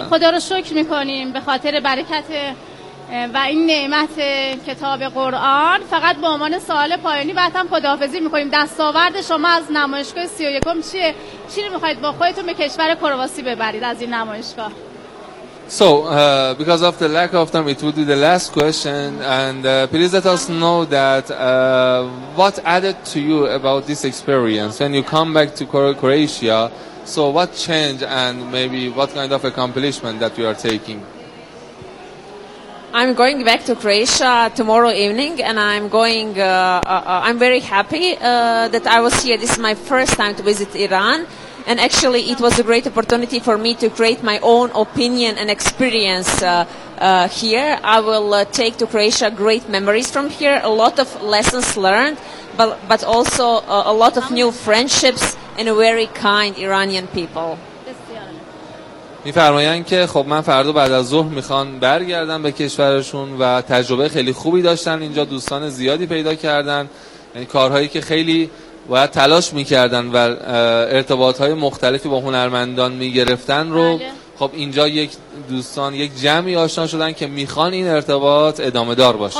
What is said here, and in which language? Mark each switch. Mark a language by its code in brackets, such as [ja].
[fa] خب خدا رو شکر می‌کنیم به خاطر برکت و این نعمت کتاب قرآن. فقط به عنوان سوال پایانی بعد هم خداحافظی میکنیم، دستاورد شما از نمایشگاه 31 چیه؟ چی رو میخواید با خودتون به کشور کرواسی ببرید از این نمایشگاه؟ [en] So, because of the lack of time, it would be the last question. And please let us know that what added to you about this experience when you come back to Croatia. So what changed and maybe what kind of accomplishment that you are taking? I'm going back to Croatia tomorrow evening, and I'm going. I'm very happy that I was here. This is my first time to visit Iran, and actually, it was a great opportunity for me to create my own opinion and experience here. I will take to Croatia great memories from here, a lot of lessons learned, but also a lot of new friendships and a very kind Iranian people. [fa] می فرمایند که خب من فردا بعد از ظهر میخوان برگردم به کشورشون و تجربه خیلی خوبی داشتن اینجا، دوستان زیادی پیدا کردن، یعنی کارهایی که خیلی باید تلاش میکردن و ارتباطهای مختلفی با هنرمندان میگرفتن رو، خب اینجا یک دوستان، یک جمعی آشنا شدن که میخوان این ارتباط ادامه دار باشه.